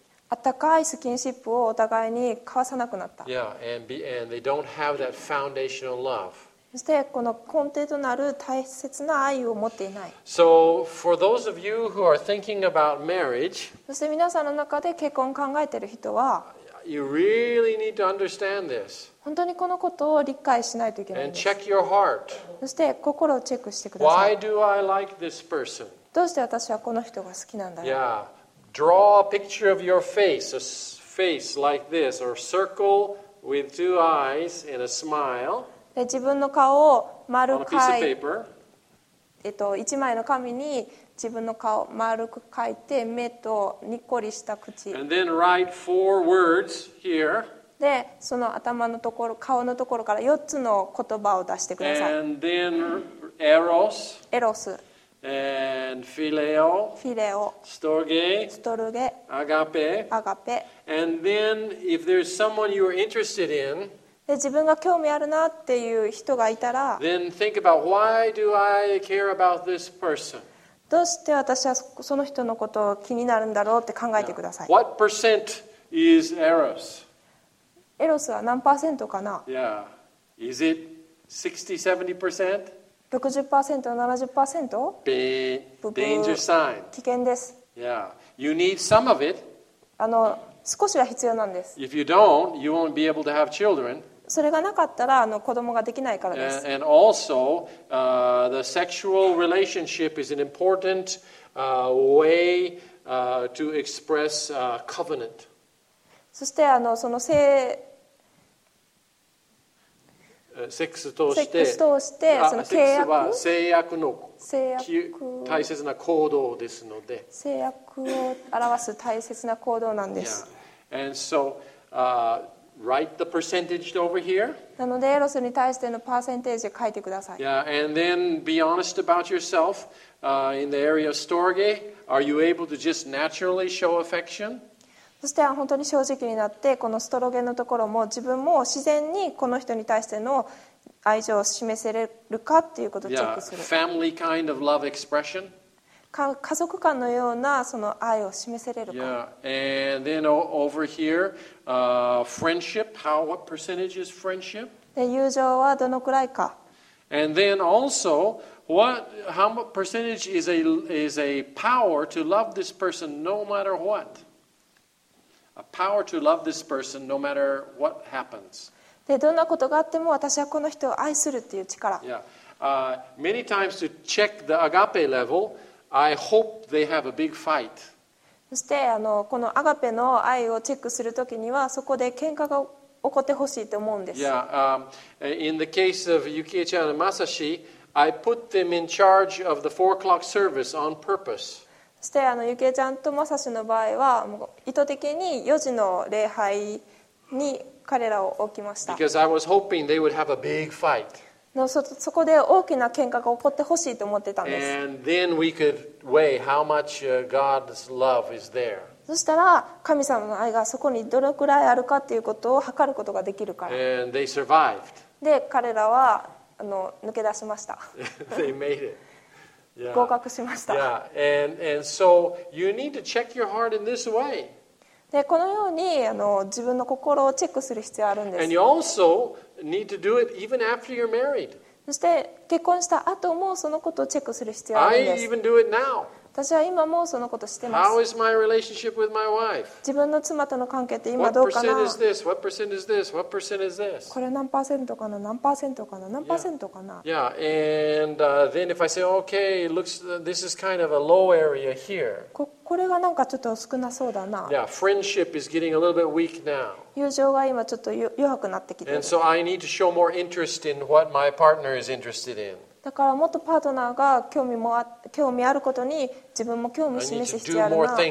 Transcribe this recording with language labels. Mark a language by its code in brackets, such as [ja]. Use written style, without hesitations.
[ja] あったかいスキンシップをお互いに交わさなくなった。 [en] Yeah, and they don't have that foundational love. [ja] そしてこの根底となる大切な愛を持っていない。 [en] So for those of you who are thinking about marriage, [ja] そして皆さんの中で結婚を考えている人は、 [en] You really need to understand this. [ja] 本当にこのことを理解しないといけないんです。 [en] And check your heart. [ja] そして心をチェックしてください。 [en] Why do I like this person? [ja] どうして私はこの人が好きなんだろう。 [en] Yeah. Draw a picture of your face, a face like this, or circle with two eyes and a smile. [ja] で、自分の顔を丸く描いて、一枚の紙に自分の顔を丸く描いて目とにっこりした口。 [en] And then write four words here. [ja] で、その頭のところ、顔のところから4つの言葉を出してください。 [en] And then eros. [ja] エロス。 [en] And phileo. [ja] フィレオ。 [en] Storge. [ja] ストルゲ。 [en] Agape. [ja] アガペ。 [en] And then if there's someone you're interested in. [ja] で自分が興味あるなっていう人がいたら、 [en] Then think about why do I care about this person? [ja] どうして私はその人のことを気になるんだろうって考えてください。 [en] What percent is eros? [ja] エロスは何パーセントかな [en] ？Yeah, is it 60-70%? [ja] 60%、70%？ [en] Danger sign. [ja] 危険です。 [en] Yeah, you need some of it. [ja] 少しは必要なんです。 [en] If you don't, you won't be able to have children. [ja] それがなかったら子供ができないからです。 [en] And also, the sexual relationship is an important way to express covenant. [ja] そしてその性セックス通して、セックス通してその契約、制約の制約大切な行動ですので、制約を表す大切な行動なんです。 [en] Yeah. And so, write the percentage over here. [ja] なのでエロスに対してのパーセンテージを書いてください。 [en] Yeah, and then be honest about yourself. In the area of storge, are you able to just naturally show affection? [ja] そして本当に正直になって、このストロゲのところも自分も自然にこの人に対しての愛情を示せれるかっていうことをチェックする。 [en] Yeah, family kind of love expression. [ja] 家族間のようなその愛を示せれるか。 [en] Yeah, and then over here, friendship. How what percentage is friendship? [ja] で、友情はどのくらいか。 [en] And then also, what how percentage is a power to love this person no matter what? A power to love this person no matter what happens. [ja] で、どんなことがあっても私はこの人を愛するっていう力。 [en] Yeah, many times to check the agape level.I hope they have a big fight. [ja] そしてあのこのアガペの愛をチェックするときにはそこで喧嘩が起こってほしいと思うんです。 [en] In the case of Yukie-chan and Masashi, I put them in charge of the 4 o'clock service on purpose. [ja] そしてあのユキエちゃんとマサシの場合は意図的に4時の礼拝に彼らを置きました。 [en] Because I was hoping they would have a big fight. [ja] そこで大きな喧嘩が起こってほしいと思ってたんです。 [en] And then we could weigh how much God's love is there. [ja] そしたら神様の愛がそこにどれくらいあるかということを測ることができるから。 [en] And they survived. [ja] で彼らはあの抜け出しました。 [en] They made it. Yeah. [ja] 合格しました。 [en] Yeah. And so you need to check your heart in this way. [ja] でこのようにあの自分の心をチェックする必要があるんです。 [en] And you also need to do it even after you're married. [ja] そして結婚した後もそのことをチェックする必要があるんです。 [en] I even do it now. [ja] 私は今もそのことしてます。 [en] How is my relationship with my wife? [ja] 自分の妻との関係って今どうかな。 [en] What percent is this? What percent is this? What percent is this? [ja] これ何パーセントかな？何パーセントかな？何パーセントかな？ [en] Yeah. And then if I say, okay, it looks this is kind of a low area here. [ja] これがなんかちょっと少なそうだな。 [en] Yeah. Friendship is getting a little bit weak now. [ja] 友情が今ちょっと弱くなってきてる。 [en] And so I need to show more interest in what my partner is interested in. [ja] だからもっとパートナーが興味あることに自分も興味示す必要あるな。